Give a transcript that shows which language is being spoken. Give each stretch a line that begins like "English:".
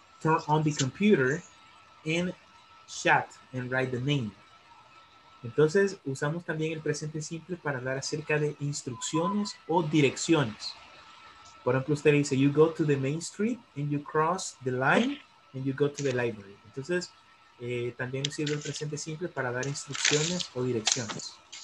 English: Turn on the computer and chat and write the name.
Spanish: Entonces, usamos también el presente simple para hablar acerca de instrucciones o direcciones. Por ejemplo, usted dice,
English: you go to the main street and you cross the line and you go to the library.
Spanish: Entonces, también sirve el presente simple para dar instrucciones o direcciones.